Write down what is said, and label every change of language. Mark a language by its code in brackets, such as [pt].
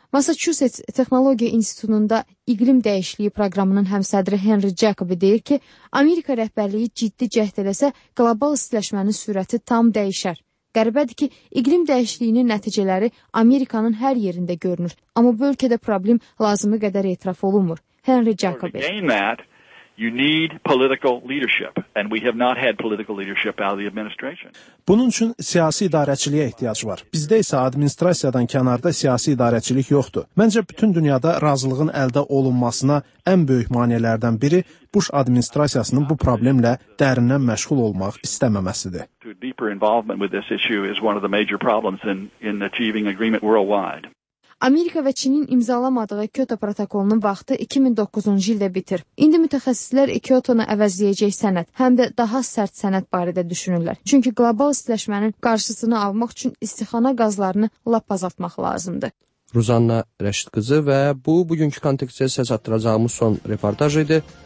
[az] Massachusetts Texnologiya İnstitutunda İqlim Dəyişikliyi proqramının həmsədri Henry Jacobi deyir ki, Amerika rəhbərliyi ciddi cəhd eləsə, qlobal istiləşmənin sürəti tam dəyişər. Qəribədir ki, iqlim dəyişikliyinin nəticələri Amerikanın hər yerində görünür. Amma bu ölkədə problem lazımı qədər etiraf olunmur. Henry Jacobi. [en] You need political leadership and we have not had political leadership out of the administration. [az] Bunun üçün siyasi idarəçiliyə ehtiyac var. Bizdə isə administrasiyadan kənarda siyasi idarəçilik yoxdur. Məncə bütün dünyada razılığın əldə olunmasına ən böyük maneələrdən biri Bush administrasiyasının bu problemlə dərindən məşğul olmaq istəməməsidir. [en] To deeper involvement with this issue is one of the major problems in achieving agreement worldwide. [az] Amerika və Çinin imzalamadığı Kyoto protokolunun vaxtı 2009-cu ildə bitir. İndi mütəxəssislər Kyoto-nu əvəzləyəcək sənəd, həm də daha sərt sənəd barədə düşünürlər. Çünki qlobal istiləşmənin qarşısını almaq üçün istixana qazlarını lap azaltmaq lazımdır. Ruzanna Rəşid qızı və bu, bugünkü kontekstə səs atdıracağımız son reportaj idi.